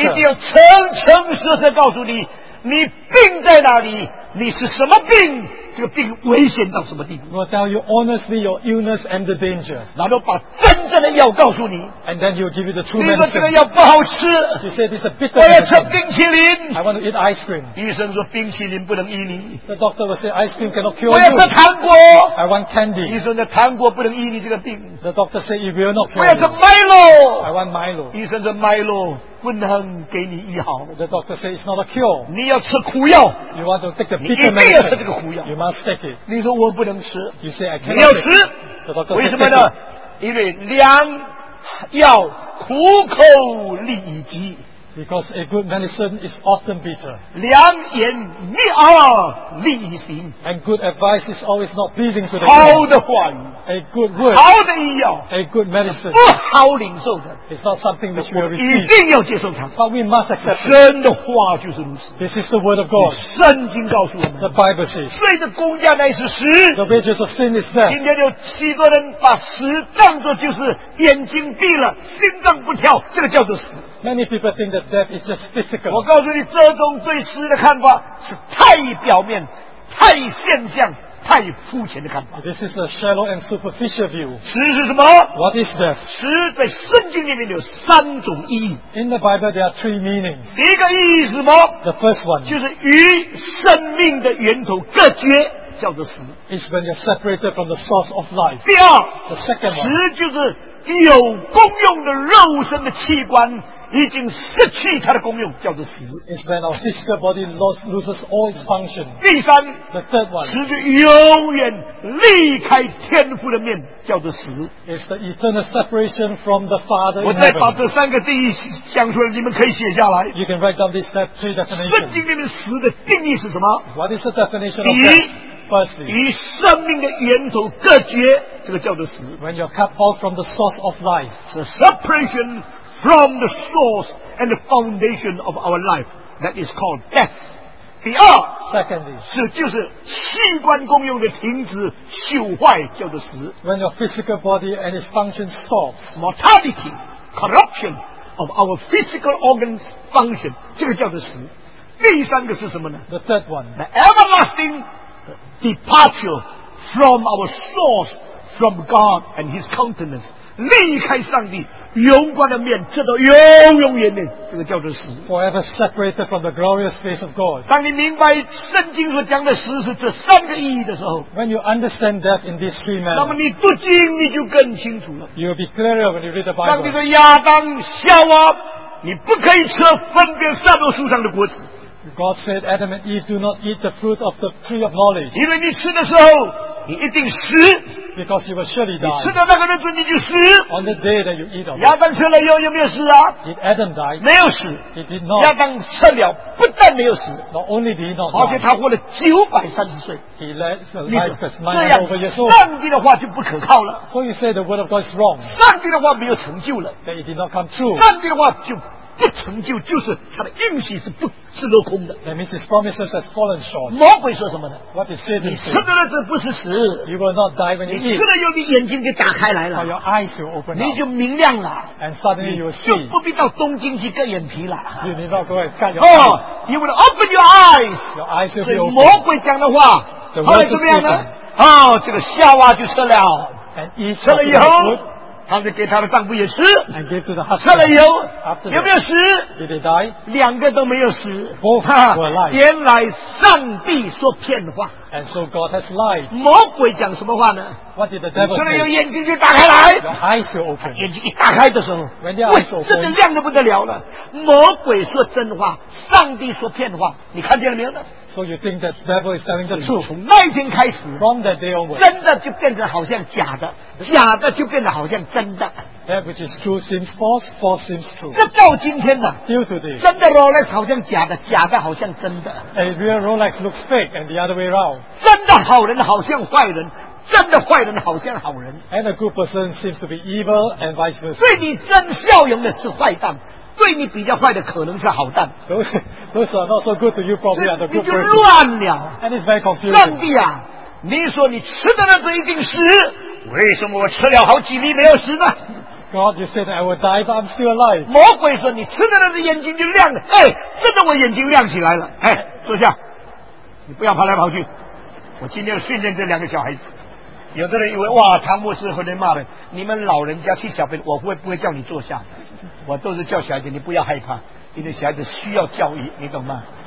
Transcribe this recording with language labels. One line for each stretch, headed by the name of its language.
Chinese: 一定要诚诚实实告诉你，你病在哪里，你是什么病，这个病危险到什么地步。
English: We'll tell you honestly your illness and the danger.
Chinese: 然后把真正的药告诉你。
English: And then he'll give you the true medicine.
Chinese: 你说这个药不好吃。
English: He said it's a bitter medicine.
Chinese: 我要吃冰淇淋。
English: I want to eat ice cream.
Chinese: 医生说冰淇淋不能医你。
English: The doctor will say ice cream cannot cure you.
Chinese: 我要吃糖果。
English: I want candy.
Chinese: 医生说糖果不能医你这个病。
English: The doctor said it will not cure you.
Chinese: 我要吃 Milo.
English: I want Milo.
Chinese: 医生说 Milo. 不能给你医好。
English: The doctor says it's not a cure.
Chinese: 你要吃苦药。
English: You want to take the bitter
Chinese: medicine. 你一定要吃这个苦药。
English: You must take it.
Chinese: 你说我不能吃。
English: You say I cannot.
Chinese: 你要吃。
English: The doctor
Chinese: 为什么呢？因为良药苦口利己。
English: Because a good medicine is often bitter.
Chinese: 良言逆耳利行。
English: And good advice is always not pleasing to the
Chinese: people. 好的话语。
English: A good word.
Chinese: 好的医药。
English: A good medicine.
Chinese: 不好领受的。
English: It's not something which we receive.
Chinese: 一定要接受它。
English: But we must accept.
Chinese: 神的话就是如此。
English: This is the word of God.
Chinese: 圣经告诉我们。
English: The Bible says.
Chinese: 罪的工价乃是死。
English: The wages of sin is death.
Chinese: 今天有许多人把死当作就是眼睛闭了，心脏不跳，这个叫做死。
English: Many people think that death is just physical.
Chinese: 我告诉你，这种对死的看法是太表面、太现象、太肤浅的看法。
English: This is a shallow and superficial view.
Chinese: 死是什么
English: ？What is death?
Chinese: 死在圣经里面有三种意义。
English: In the Bible, there are three meanings.
Chinese: 第一个意义是什么
English: ？The first one.
Chinese: 就是与生命的源头隔绝。叫做死
English: is when you're separated from the source of life.
Chinese: 第二
English: the second one,
Chinese: 死就是有功用的肉身的器官已经失去它的功用，叫做死
English: is when our physical body loses all its function.
Chinese: 第三
English: the third one,
Chinese: 死就永远离开天父的面，叫做死
English: is the eternal separation from the Father in heaven.
Chinese: 我再把这三个定义讲出来，你们可以写下来。
English: You can write down these three definitions.
Chinese: 圣经里面死的定义是什么？
English: What is the definition of death? Firstly,
Chinese: 与生命的源头隔绝，这个叫做死。
English: When you're cut off from the source of life, the separation from the source and the foundation of our life, that is called death.
Chinese: 第二
English: secondly,
Chinese: 是就是器官功用的停止、朽坏，叫做死。
English: When your physical body and its function stops, mortality, corruption of our physical organs function,
Chinese: 这个叫做死。第三个是什么呢
English: ？The third one, the everlasting. Departure from our source, from God and His countenance.
Chinese: 离开上帝永光的面，这个永永远远，这个叫做死。
English: Forever separated from the glorious face of God。
Chinese: 当你明白圣经所讲的死是这三个意义的时候
English: ，When you understand death in these three manners，
Chinese: 那么你读经你就更清楚了。
English: You will be clearer when you read the Bible。
Chinese: 当你说亚当、夏娃，你不可以吃分别善恶树上的果子。
English: God said, Adam and Eve, do not eat the fruit of the tree of knowledge.
Chinese: 因为你吃的时候，你一定死。
English: Because you will surely die.
Chinese: 你吃的那个日子你就死。
English: On the day that you eat of it.
Chinese: 亚当吃了以后有没有死啊？
English: Did Adam die?
Chinese: 没有死。
English: He did not.
Chinese: 亚当吃了，不但没有死。
English: Not only did he not die.
Chinese: 而且他活了930岁。
English: He led a life that's 900 years old.
Chinese: 这样，上帝的话就不可靠了。
English: So you say the word of God is wrong.
Chinese: 上帝的话没有成就了。
English: That it did not come true.
Chinese: 上帝的话就不成就，就是他的应许是不是落空的。
English: That means his promises has fallen short.
Chinese: 魔鬼说什么呢
English: ？What is Satan saying?
Chinese: 你吃的那是不是死
English: ？You will not die when you eat.
Chinese: 你吃了又你眼睛给打开来了。
English: Or your eyes will open up.
Chinese: 你就明亮了。
English: And suddenly you see.
Chinese: 就不必到东京去割眼皮了。
English: You need not go and cut your eyes. Oh, you will open your eyes. Your eyes will be open.
Chinese: 所以魔鬼讲的话，后来怎么样呢？哦，这个夏娃就吃了。
English: And eat it.
Chinese: 吃了以后。他就给他的丈夫也吃，吃了以后有没有死？
English: Did they die?
Chinese: 两个都没有死。
English: Both were alive.
Chinese: 原来上帝说骗话。
English: And so God has lied.
Chinese: 魔鬼讲什么话呢？
English: What did the devil say?
Chinese: 吃了以后眼睛就打开来。
English: Your eyes will open.
Chinese: 眼睛一打开的时候，
English: When their eyes open,
Chinese: 真的亮得不得了了。魔鬼说真话，上帝说骗话，你看见了没有呢？
English: So you think that devil is telling the truth?
Chinese: 从那一天开始，
English: from that day onwards,
Chinese: 真的就变成好像假的，假的就变得好像真的。
English: That which is true seems false, false seems true.
Chinese: 这到今天呢，
English: still today,
Chinese: 真的 Rolex 好像假的，假的好像真的。
English: A real Rolex looks fake, and the other way round.
Chinese: 真的好人好像坏人，真的坏人好像好人。
English: And a good person seems to be evil, and vice versa.
Chinese: 对你真笑容的是坏蛋。对你比较坏的可能是好蛋。
English: Those are not so good to you probably are the good person.
Chinese: 你就乱了。
English: And it's very confusing.
Chinese: 上帝啊，你说你吃的那是一定死，为什么我吃了好几粒没有死呢？
English: God, you said I will die, but I'm still alive.
Chinese: 魔鬼说你吃的那是眼睛就亮了，哎，真的我眼睛亮起来了，哎，坐下，你不要跑来跑去，我今天要训练这两个小孩子。有的人以为哇，汤姆斯和人骂人，你们老人家去小便，我不会叫你坐下，我都是叫小孩子，你不要害怕，因为小孩子需要教育，你懂吗？